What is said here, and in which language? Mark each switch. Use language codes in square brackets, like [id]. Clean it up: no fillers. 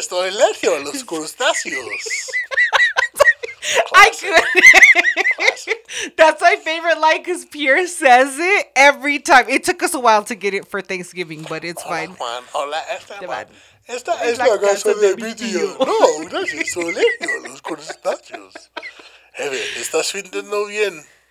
[es] Estoy lejos los crustáceos. [en] Classic. I could. That's my favorite line because Pierre says it every time. It took us a while to get it for Thanksgiving, but it's fine. [es] Hola, Esteban. Esta es la casa de mi tío. No, gracias. Soy lejos los crustáceos. Hey, estás sintiendo bien.